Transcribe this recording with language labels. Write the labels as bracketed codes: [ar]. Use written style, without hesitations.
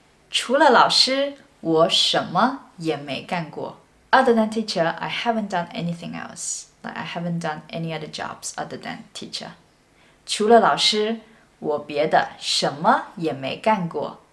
[zh] 除了老师,我什么也没干过。 [en] Other than teacher, I haven't done anything else. Like, I haven't done any other jobs other than teacher. [zh] 除了老师,我别的什么也没干过。